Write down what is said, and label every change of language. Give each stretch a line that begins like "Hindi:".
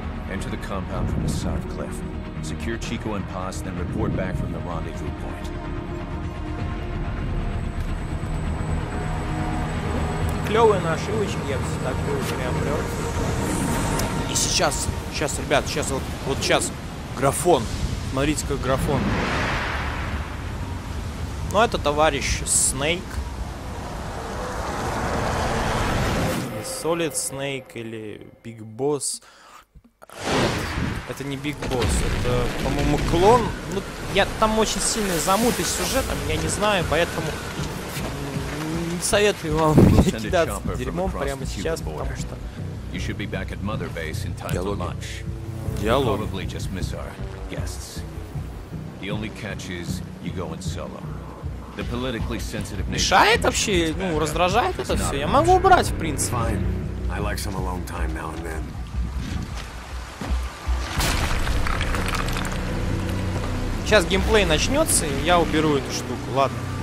English: Enter the compound from the south cliff. Secure Chico and Paz, then report back from the rendezvous point.
Russian: Клёвые нашивочки, я все так приобрел. И сейчас, ребят, сейчас вот сейчас графон. Смотрите, как графон. Ну, это товарищ Снейк. Солид Снейк или Биг Босс. Это не Биг Босс, это, по-моему, клон. Ну, я там очень сильный замут и сюжетом, я не знаю, поэтому не советую вам кидаться дерьмом прямо сейчас, потому что...
English: You should be back at Mother Base in time for lunch.
Russian: Диалоги.
English: You probably just miss our guests. The only catch is you go in solo. The politically sensitive nation...
Russian: Мешает вообще, ну, раздражает это все? Я могу убрать, в принципе.
English: Fine. I like some alone time now and then.
Russian: Сейчас геймплей начнется, и я уберу эту штуку, ладно.